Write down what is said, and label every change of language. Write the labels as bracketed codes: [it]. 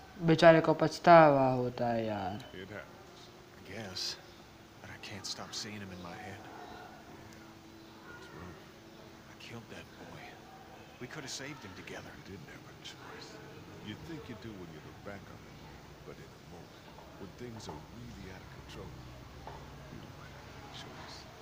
[hi] बेचारे को पछतावा होता है यार. [en] It happens I guess but I can't stop seeing him in my head. It's room I killed that boy. We could have saved him together. We didn't have a choice. You think you do when you look back on it, but in a moment, when things are really out of control, you don't have any choice.